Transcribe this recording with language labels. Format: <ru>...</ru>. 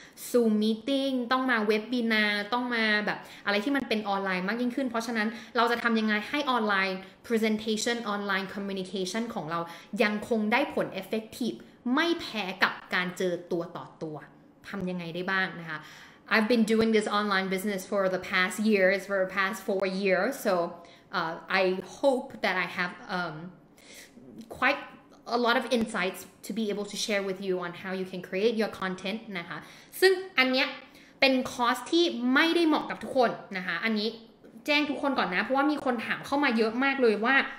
<th>ซูมมีติ้งต้องมาเว็บินาต้องมาแบบอะไรที่มันเป็นออนไลน์มากยิ่งขึ้นเพราะฉะนั้นเราจะทำยังไงให้ออนไลน์พรีเซนเทชันออนไลน์คอมมิวนิเคชันของเรายังคงได้ผลเอฟเฟกตีฟไม่แพ้กับการเจอตัวต่อตัวทำยังไงได้บ้างนะคะ</th> <en>I've been doing this online business for the past years, for the past 4 years. So I hope that I have quite a lot of insights to be able to share with you on how you can create your content.</en> <th>นะคะ ซึ่งอันเนี้ยเป็นคอร์สที่ไม่ได้เหมาะกับทุกคนนะคะ อันนี้แจ้งทุกคนก่อนนะเพราะว่ามีคนถามเข้ามาเยอะมากเลยว่า</th>